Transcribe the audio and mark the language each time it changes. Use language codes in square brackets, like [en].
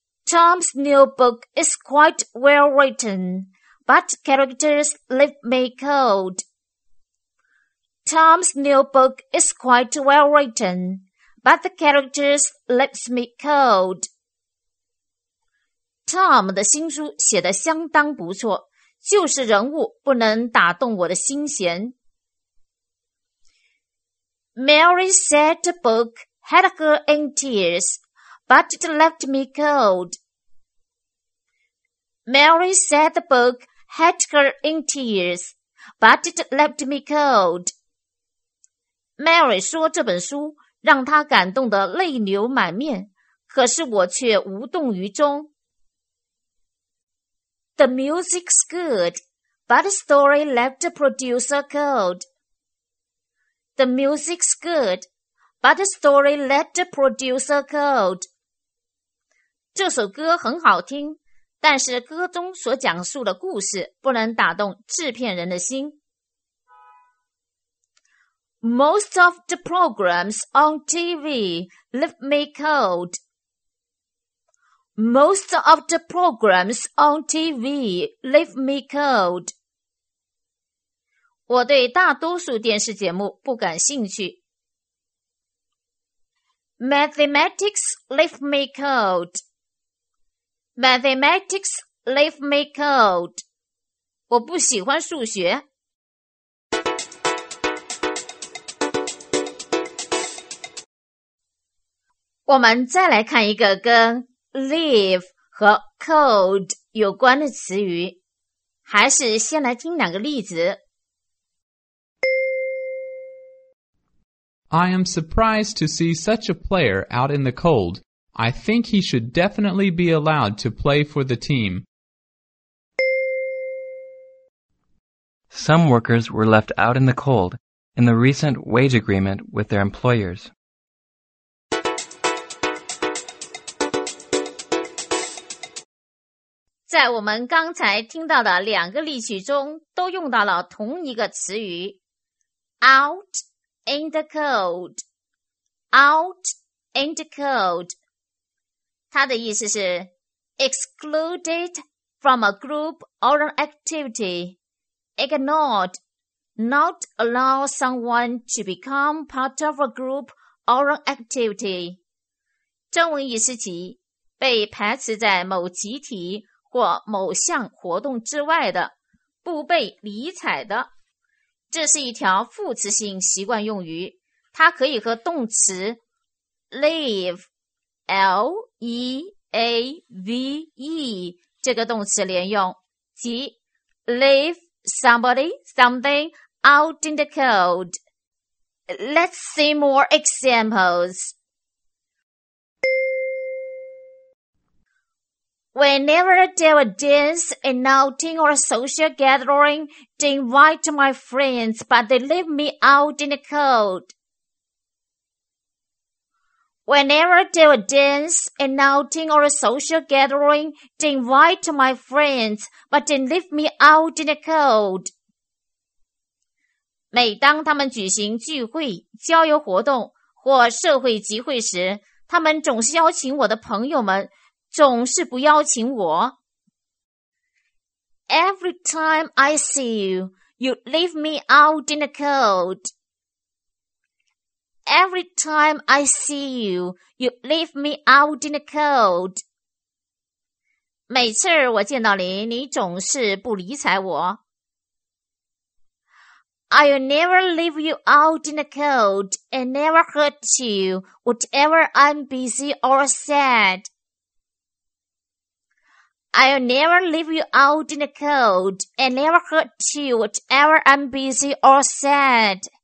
[en] 。Tom's new book is quite well written, but characters leave me cold. Tom's new book is quite well written. But the characters left me cold. [zh] Tom 的新书写得相当不错，就是人物不能打动我的心弦。 [en] Mary said the book had her in tears, but it left me cold. Mary said the book had her in tears, but it left me cold. [zh] Mary 说这本书让他感动得泪流满面，可是我却无动于衷。 [en] The music's good, but the story left the producer cold. The music's good, but the story left the producer cold. [zh] 这首歌很好听，但是歌中所讲述的故事不能打动制片人的心。 [en] Most of the programs on TV leave me cold. Most of the programs on TV leave me cold. [zh] 我对大多数电视节目不感兴趣。 [en] Mathematics leave me cold. Mathematics leave me cold. [zh] 我不喜欢数学。我们再来看一个跟 leave 和 cold 有关的词语，还是先来听两个例子。 [en] I am surprised to see such a player out in the cold. I think he should definitely be allowed to play for the team. Some workers were left out in the cold in the recent wage agreement with their employers. [zh] 在我们刚才听到的两个例句中都用到了同一个词语 [en] out in the cold, out in the cold, 它的意思是 excluded from a group or an activity, ignored, not allow someone to become part of a group or an activity, [zh] 中文意思即被排斥在某集体或某项活动之外的，不被理睬的。这是一条副词性习惯用语，它可以和动词 leave, L-E-A-V-E, save 这个动词连用，即 [en] leave somebody something out in the cold. Let's see more examples. Whenever there was a dance, an outing or a social gathering, they invite my friends, but they leave me out in the cold. Whenever there was a dance, an outing or a social gathering, they invite my friends, but they leave me out in the cold. [zh] 每当他们举行聚会、交友活动或社会集会时，他们总是邀请我的朋友们，总是不邀请我。 [en] Every time I see you, you leave me out in the cold. Every time I see you, you leave me out in the cold. [zh] 每次我见到你，你总是不理睬我。 [en] I'll never leave you out in the cold and never hurt you, whatever I'm busy or sad. I'll never leave you out in the cold and never hurt you, whatever I'm busy or sad.